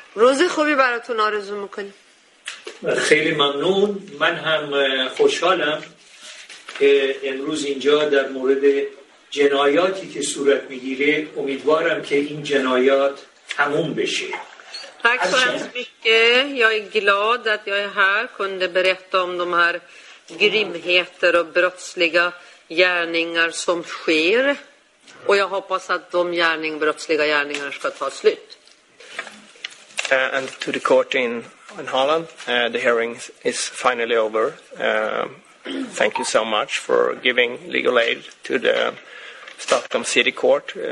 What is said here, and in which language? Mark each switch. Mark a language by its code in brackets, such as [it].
[fa] روز خوبی براتون آرزو میکنیم. خیلی ممنون. من هم خوشحالم که امروز اینجا در مورد جنایاتی که صورت میگیره، امیدوارم که این جنایات تموم بشه. [sv] Tack så hemskt mycket. Jag är glad att jag är här och kunde berätta om de här grymheter och brottsliga gärningar som sker. Och jag hoppas att de brottsliga gärningarna ska ta slut. [en] And to the court in Holland, the hearing is finally over. Thank you so much for giving legal aid to the Stockholm City Court.